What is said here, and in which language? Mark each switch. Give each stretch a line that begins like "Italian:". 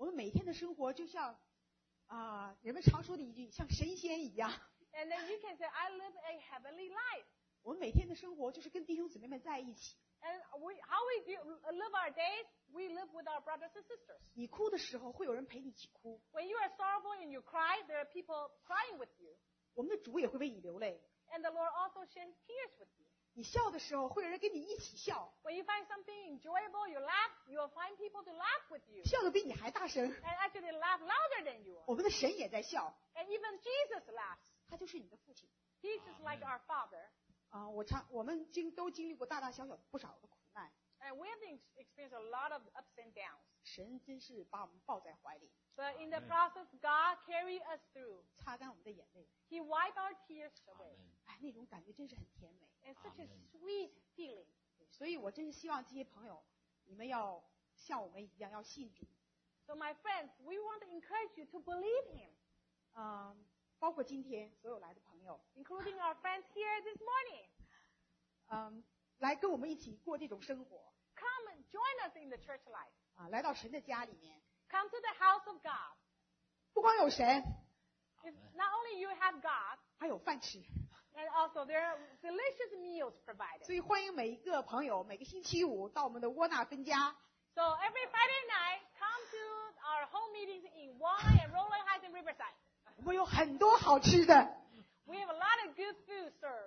Chinese: 我们每天的生活就像人们常说的一句，像神仙一样。
English: And then you can say, I live a heavenly life.
Chinese: 我们每天的生活就是跟弟兄姊妹们在一起。
English: And how we live our days, we live with our brothers and sisters.
Chinese: 你哭的时候，会有人陪你一起哭。
English: When you are sorrowful and you cry, there are people crying with you.
Chinese: 我们的主也会为你流泪。
English: And the Lord also sheds tears with you.
Chinese: 你笑的时候，会有人跟你一起笑。
English: When you find something enjoyable, you laugh, you will find people to laugh with you.
Chinese: 笑得比你还大声。
English: And actually they laugh louder than you.
Chinese: 我们的神也在笑。
English: And even Jesus laughs.
Chinese: 他就是你的父亲。
English: He is just like our father.
Chinese: 我们都经历过大大小小不少的苦难。
English: And we have experienced a lot of ups and downs.
Chinese: 神真是把我们抱在怀里。
English: But in the process, God carried us through.
Chinese: 擦干我们的眼泪。
English: He wiped our tears away.
Chinese: 哎，那种感觉真是很甜美。
English: And such a sweet feeling.
Chinese: 所以我真是希望这些朋友，你们要像我们一样要信主。
English: So my friends, we want to encourage you to believe Him.
Chinese: 包括今天所有来的朋友
English: including our friends here this morning
Chinese: 来跟我们一起过这种生活
English: come and join us in the church life
Chinese: 来到神的家里面
English: come to the house of God
Chinese: 不光有神
English: not only you have God
Chinese: 还有饭吃
English: and also there are delicious meals provided
Chinese: 所以欢迎每一个朋友每个星期五到我们的窝纳分家
English: so every Friday night come to our home meetings in Wong and Roland Heights and Riverside
Chinese: 我们有很多好吃的。
English: We have a lot of good foods.